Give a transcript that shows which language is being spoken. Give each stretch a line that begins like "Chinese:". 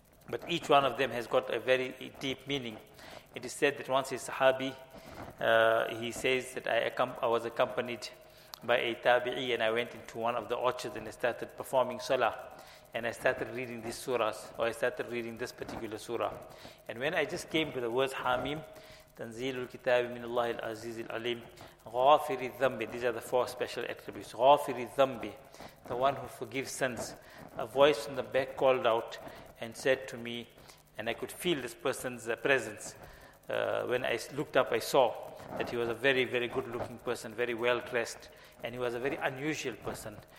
English: But each one of them has got a very deep meaning. It is said that once a Sahabi, he says that I was accompanied by a Tabi'i, and I went into one of the orchards and I started performing Salah. And I started reading these surahs, or I started reading this particular surah. And when I just came to the words Hamim,
Arabic: تنزيل الكتاب من الله العزيز العليم غافر الذنب.
English: These are the four special attributes.
Arabic: غافر الذنب,
English: the one who forgives sins. A voice from the back called out and said to me, and I could feel this person's presence. When I looked up, I saw that he was a very, very good-looking person, very well-dressed, and he was a very unusual person.